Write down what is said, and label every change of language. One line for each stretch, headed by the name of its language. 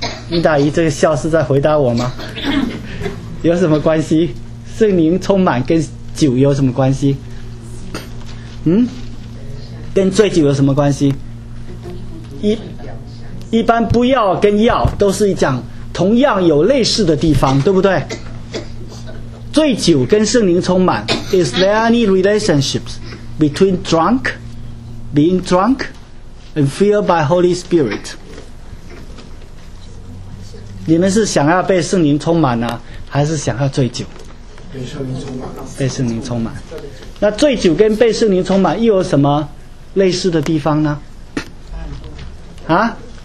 Chinese: 英大姨这个笑是在回答我吗？有什么关系？圣灵充满跟酒有什么关系？嗯？跟醉酒有什么关系？一般不要跟要都是讲同样有类似的地方，对不对？醉酒跟圣灵充满
English: ，Is there any relationships between drunk, being drunk, and filled by Holy Spirit？
Chinese: 你们是想要被圣灵充满呢，还是想要醉酒？被圣灵充满。被圣灵充满。那醉酒跟被圣灵充满又有什么类似的地方呢？啊？